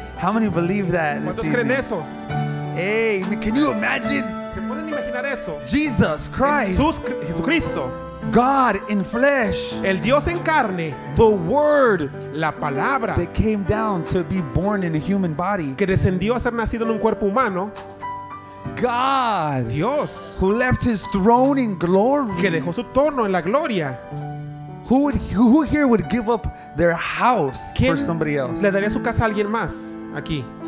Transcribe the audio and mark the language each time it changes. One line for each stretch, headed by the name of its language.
English: How many believe that? Hey, can you imagine? Jesus Christ.
Spanish: Jesucristo.
English: God in flesh.
Spanish: El Dios en carne.
English: The Word.
Spanish: La palabra.
English: That came down to be born in a human body.
Spanish: Que descendió a ser nacido en un cuerpo humano.
English: God.
Spanish: Dios.
English: Who left his throne in glory.
Spanish: Que dejó su trono en la gloria.
English: Who here would give up their house for somebody else?
Spanish: Le daría su casa a alguien más aquí.